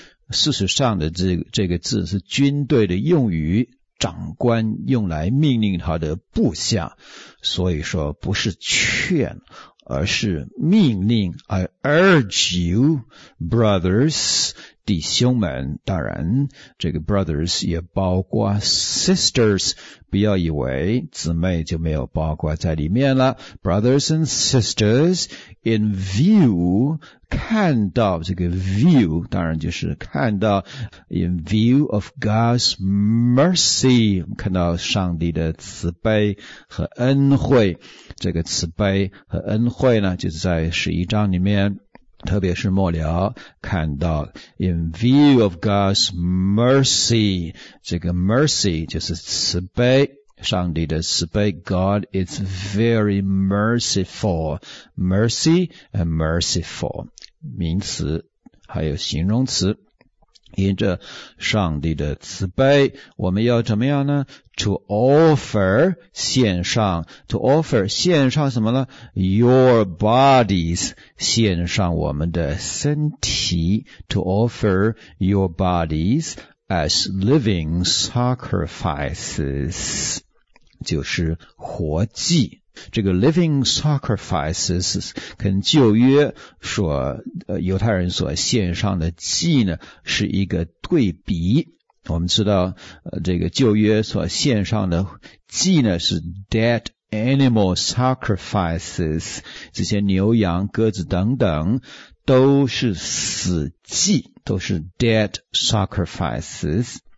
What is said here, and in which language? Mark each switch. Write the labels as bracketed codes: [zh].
[zh] 事实上的这个字是军队的用语，长官用来命令他的部下，所以说不是劝，而是命令。 [en] I urge you, brothers, [zh] 弟兄们，当然这个 brothers 也包括 sisters, 不要以为姊妹就没有包括在里面了。 [en] Brothers and sisters, in view, [zh] 看到这个 view, 当然就是看到 [en] in view of God's mercy, [zh] 看到上帝的慈悲和恩惠。这个慈悲和恩惠呢，就是在十一章里面，特别是末了看到 in view of God's mercy, 这个 mercy 就是慈悲，上帝的慈悲。 [en] God is very merciful, mercy and merciful, [zh] 名词还有形容词。因着上帝的慈悲，我们要怎么样呢？ [en] To offer, [zh] 献上， [en] to offer, [zh] 献上什么呢？ [en] Your bodies, [zh] 献上我们的身体。 [en] To offer your bodies as living sacrifices, [zh] 就是活祭。这个 living sacrifices 跟旧约所犹太人所献上的祭呢是一个对比。我们知道这个旧约所献上的祭呢是 [en] dead animal sacrifices, [zh] 这些牛羊鸽子等等都是死祭，都是 [en] dead sacrifices。